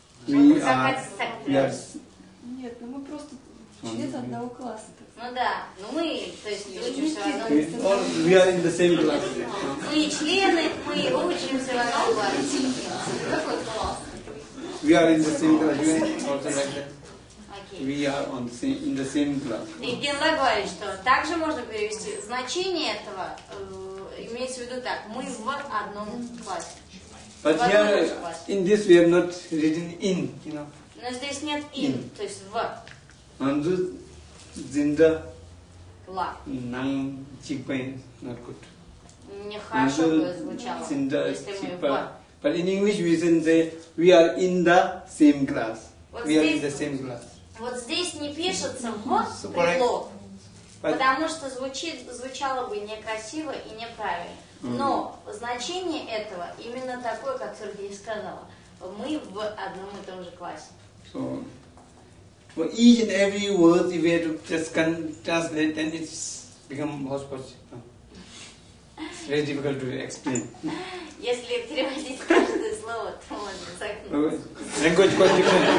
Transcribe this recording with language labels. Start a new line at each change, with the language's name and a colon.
Russian: Нет, ну мы просто члены одного класса. Ну да, ну мы, то есть,
English: we are in the same class.
Russian: Мы члены, мы учимся в одном классе. Какой класс?
English: We are in the same class. We are on the same, in the same class.
Russian: И Генла говорит, что также можно перевести значение этого, имеется в виду так, мы в одном классе.
English: But here, классе. In this we have not written in, you know.
Russian: Но здесь нет in, то есть в.
Tibetan: Анзу дзинда. Ла. Нам чипа,
English: not good.
Russian: Нехорошо бы звучало, дзинда, если чипа. Мы в.
English: But in English we can say, we are in the same class.
Russian: Вот
English: we
Russian: здесь...
English: are in the same class.
Russian: Вот здесь не пишется «в» предлог, потому что звучало бы некрасиво и неправильно. Но значение этого именно такое, как Сергей сказал. Мы в одном и том же классе.
English: So, for each and every word, if we have to just translate, then it becomes hodgepodge. It's very difficult to explain.
Russian: Если переводить каждое слово, то можно согнуться.